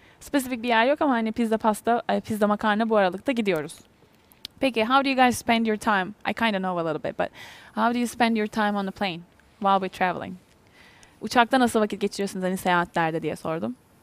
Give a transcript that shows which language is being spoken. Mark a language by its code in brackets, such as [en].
[tr] Specific bir yer yok ama hani pizza pasta, pizza makarna bu aralıkta gidiyoruz. [en] Peki, how do you guys spend your time? I kind of know a little bit, but how do you spend your time on the plane while we're traveling? [tr] Uçakta nasıl vakit geçiriyorsunuz hani seyahatlerde diye sordum.